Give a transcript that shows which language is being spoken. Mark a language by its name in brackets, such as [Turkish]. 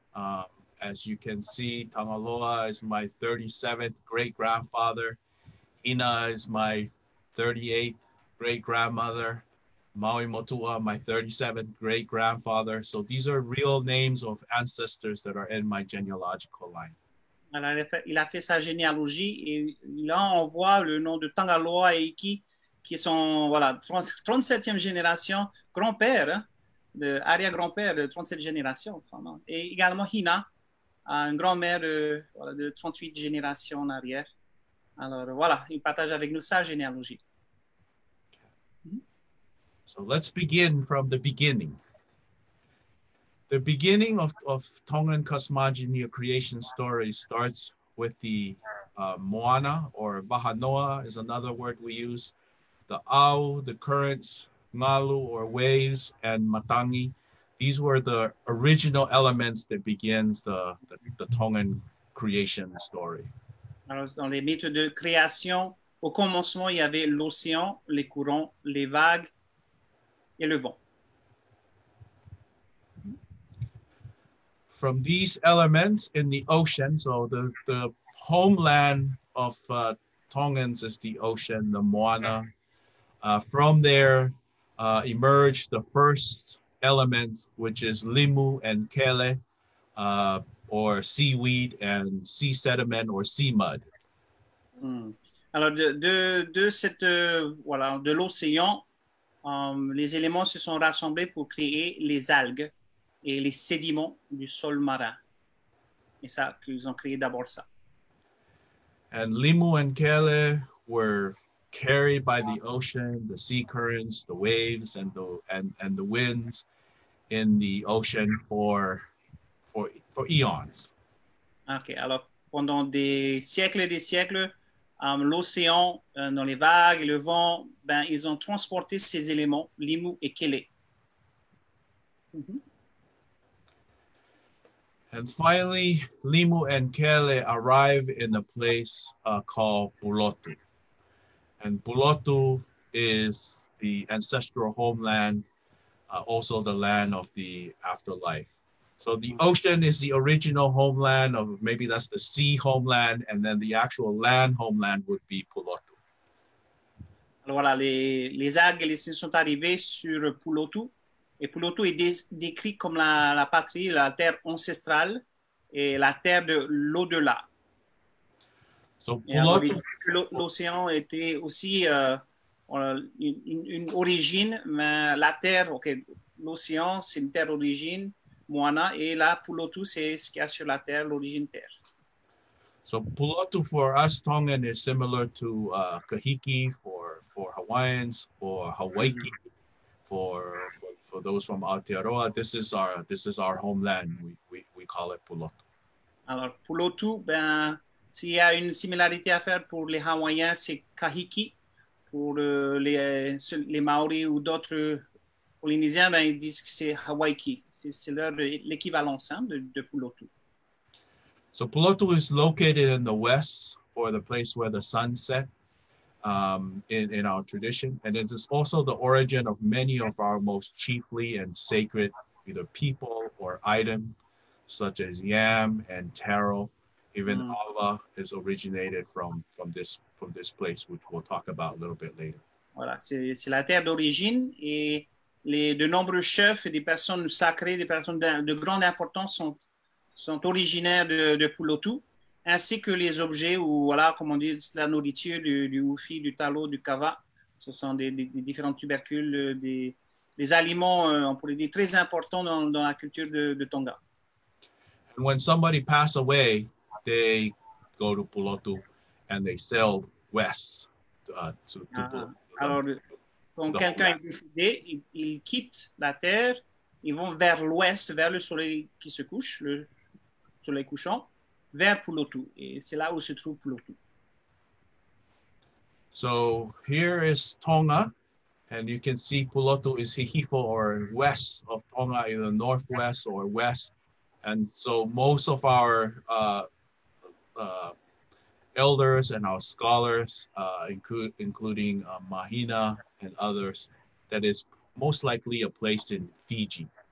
[English] As you can see, Tangaloa is my 37th great-grandfather. Hina is my 38th great-grandmother. Māui Motua, my 37th great-grandfather. So these are real names of ancestors that are in my genealogical line. [French] Il a fait sa généalogie et là on voit le nom de Tangaloa et Iki, qui sont, voilà, 37e génération, grand-père, de arrière-grand-père de 37 générations. Enfin, et également Hina, une grand-mère voilà, de 38 générations en arrière. Alors voilà, il partage avec nous sa généalogie. [English] So let's begin from the beginning. The beginning of Tongan cosmogony or creation story starts with the moana or vahanoa is another word we use. The au, the currents, ngalu or waves, and matangi. These were the original elements that begins the Tongan creation story. [French] Alors, dans les mythes de création, au commencement, il y avait l'océan, les courants, les vagues, et le vent. [English] From these elements in the ocean, so the homeland of Tongans is the ocean, the moana. From there emerged the first elements, which is limu and kele, or seaweed and sea sediment or sea mud. [French] Mm. Alors de cette voilà de l'océan. Les éléments se sont rassemblés pour créer les algues et les sédiments du sol marin. Et ça, ils ont créé d'abord ça. [English] And limu and kele were carried by the ocean, the sea currents, the waves, and the winds in the ocean for eons. [French] OK, alors pendant des siècles, l'océan, dans les vagues et le vent, ben, ils ont transporté ces éléments, limu et kele. Mm-hmm. [English] And finally, limu and kele arrive in a place called Bulotu. And Bulotu is the ancestral homeland, also the land of the afterlife. So the ocean is the original homeland, or maybe that's the sea homeland, and then the actual land homeland would be Pulotu. [French] Alors voilà, les algues et les sels sont arrivés sur Pulotu, et Pulotu est décrit comme la patrie, la terre ancestrale, et la terre de l'au-delà. So Pulotu, alors, l'océan était aussi une origine, mais la terre, ok, l'océan, c'est une terre d'origine. Moana, et là, Pulotu, c'est ce qu'il y a sur la terre, l'origine terre. [English] So Pulotu for us Tongan is similar to Kahiki for Hawaiians or Hawaiki for those from Aotearoa. This is our homeland. We call it Pulotu. [French] Alors Pulotu, ben s'il y a une similarité à faire pour les Hawaiiens, c'est Kahiki. Pour les Maori ou d'autres Polynésiens, ben, ils disent que c'est Hawaiki. C'est l'équivalence hein, de Pulotu. [English] So Pulotu is located in the west, or the place where the sun set in our tradition. And it is also the origin of many of our most chiefly and sacred either people or item, such as yam and taro. Even ava is originated from this place, which we'll talk about a little bit later. [French] Voilà, c'est la terre d'origine et de nombreux chefs et des personnes sacrées, des personnes de grande importance sont originaires de Pulotu, ainsi que les objets ou voilà, comme on dit, la nourriture du oufi, du talo, du kava. Ce sont des différents tubercules, des aliments, on pourrait dire, très importants dans la culture de Tonga. [English] And when somebody passes away, they go to Pulotu and they sail west to Pulotu. [French] Quand quelqu'un est décédé, il quitte la terre, ils vont vers l'ouest, vers le soleil qui se couche, le soleil couchant, vers Pulotu, et c'est là où se trouve Pulotu. [English] So here is Tonga, and you can see Pulotu is Hihifo, or west of Tonga, in the northwest or west. And so most of our elders and our scholars, including Mahina and others, that is most likely a place in Fiji.